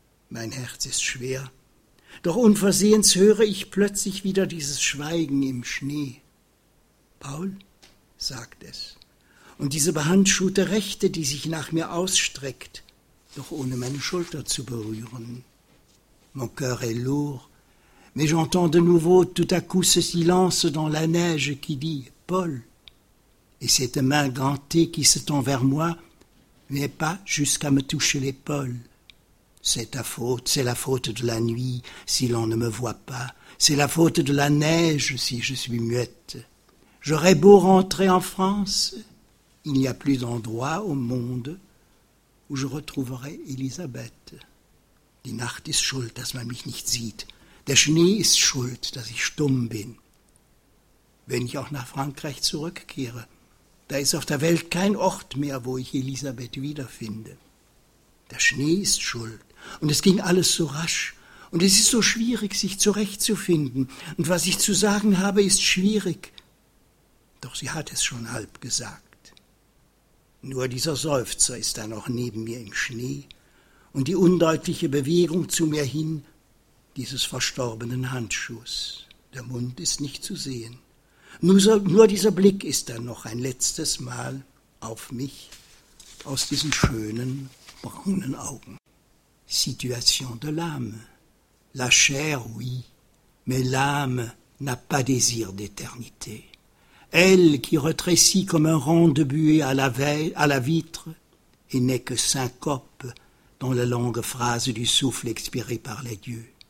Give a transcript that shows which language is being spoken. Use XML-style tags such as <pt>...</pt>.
<de>Mein Herz ist schwer, doch unversehens höre ich plötzlich wieder dieses Schweigen im Schnee. Paul, sagt es, und diese behandschuhte Rechte, die sich nach mir ausstreckt, doch ohne meine Schulter zu berühren.</de> <fr>Mon cœur est lourd, mais j'entends de nouveau tout à coup ce silence dans la neige qui dit « Paul » et cette main gantée qui se tend vers moi, mais pas jusqu'à me toucher l'épaule. C'est ta faute, c'est la faute de la nuit si l'on ne me voit pas, c'est la faute de la neige si je suis muette. J'aurais beau rentrer en France, il n'y a plus d'endroit au monde où je retrouverai Elisabeth.</fr> <de>Die Nacht ist schuld, dass man mich nicht sieht. Der Schnee ist schuld, dass ich stumm bin. Wenn ich auch nach Frankreich zurückkehre, da ist auf der Welt kein Ort mehr, wo ich Elisabeth wiederfinde. Der Schnee ist schuld und es ging alles so rasch und es ist so schwierig, sich zurechtzufinden und was ich zu sagen habe, ist schwierig. Doch sie hat es schon halb gesagt. Nur dieser Seufzer ist da noch neben mir im Schnee und die undeutliche Bewegung zu mir hin, dieses verstorbenen Handschuhs. Der Mund ist nicht zu sehen. Nur dieser Blick ist dann noch ein letztes Mal auf mich aus diesen schönen, braunen Augen.</de> <fr>Situation de l'âme. La chair, oui, mais l'âme n'a pas désir d'éternité. Elle qui retrécit comme un rang de buée à la vitre et n'est que syncope dans la longue phrase du souffle expiré par les dieux.</fr>